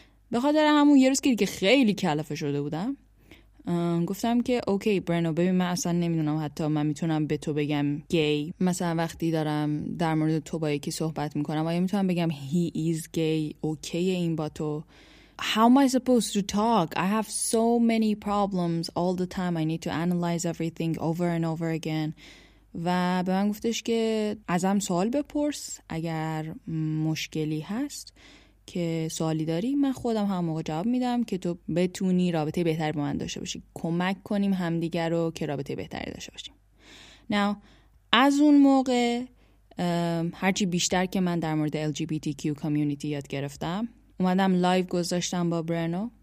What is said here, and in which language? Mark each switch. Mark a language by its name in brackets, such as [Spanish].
[Persian] به خاطر همون یه روز که دیگه خیلی کلافه شده بودم گفتم که اوکی برنو ببین من اصلا نمیدونم حتی من میتونم به تو بگم گی، مثلا وقتی دارم در مورد تو با یکی صحبت میکنم آیا میتونم بگم [English] he is gay، [Persian] اوکی این با تو؟ [English] How am I supposed to talk? I have so many problems all the time. I need to analyze everything over and over again. [Persian] و به من گفتش که ازم سوال بپرس، اگر مشکلی هست که سوالی داری من خودم هم موقع جواب میدم که تو بتونی رابطه بهتری با من داشته باشی، کمک کنیم همدیگر رو که رابطه بهتری داشته باشیم. Now از اون موقع هرچی بیشتر که من در مورد LGBTQ کامیونیتی یاد گرفتم، اومدم لایو گذاشتم با برنو.